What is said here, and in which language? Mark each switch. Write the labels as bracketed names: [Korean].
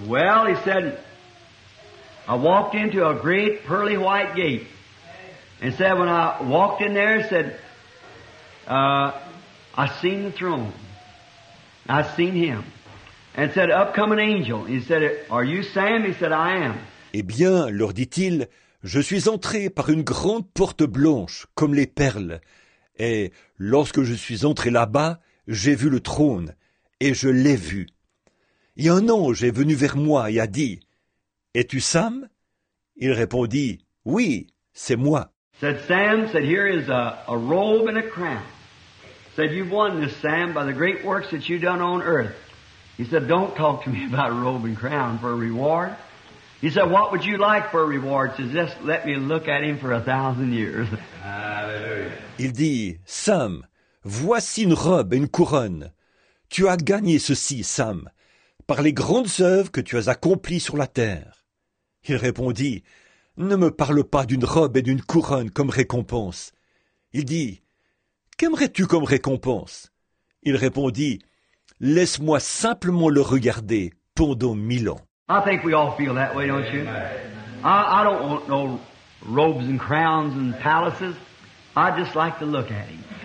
[English] Well, he said, I walked into a great pearly white gate. And said, when I walked in there, he said, I seen the throne. I seen him. And said, up come an angel. He said, are you Sam? He said, I am. [French] Eh bien, leur dit-il, je suis entré par une grande porte blanche, comme les perles. Et lorsque je suis entré là-bas, j'ai vu le trône, et je l'ai vu. Et un ange est venu vers moi et a dit, « Es-tu Sam ?» Il répondit, « Oui, c'est moi. » [English] Said Sam, said here is a robe and a crown. Said you've won this, Sam, by the great works that you've done on earth. He said, don't talk to me about a robe and crown for a reward. He said, what would you like for a reward? He said, just let me look at him for 1,000 years. [French] Il dit, Sam, voici une robe et une couronne. Tu as gagné ceci, Sam, par les grandes œuvres que tu as accomplies sur la terre. Il répondit, « Ne me parle pas d'une robe et d'une couronne comme récompense. » Il dit, « Qu'aimerais-tu comme récompense ?» Il répondit, « Laisse-moi simplement le regarder pendant 1,000 ans. » [English] I think we all feel that way, don't you? I don't want no robes and crowns and palaces. I just like to look at him.